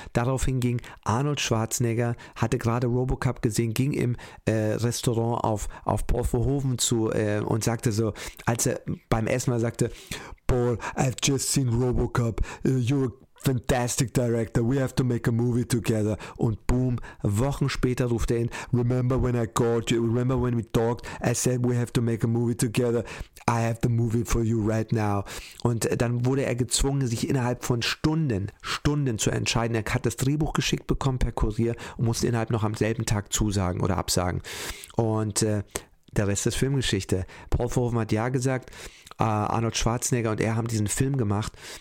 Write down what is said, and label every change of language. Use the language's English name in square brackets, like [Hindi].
[German] Daraufhin ging Arnold Schwarzenegger, hatte gerade RoboCop gesehen, ging im Restaurant auf Paul Verhoeven zu und sagte so, als er beim Essen mal sagte, [English] Paul, I've just seen RoboCop, you're fantastic director, we have to make a movie together. [German] Und boom, Wochen später ruft er ihn, [English] remember when I called you, remember when we talked, I said we have to make a movie together, I have the movie for you right now. [German] Und dann wurde er gezwungen, sich innerhalb von Stunden zu entscheiden. Er hat das Drehbuch geschickt bekommen per Kurier und musste innerhalb noch am selben Tag zusagen oder absagen. Und der Rest ist Filmgeschichte. Paul Verhoeven hat ja gesagt, Arnold Schwarzenegger und er haben diesen Film gemacht.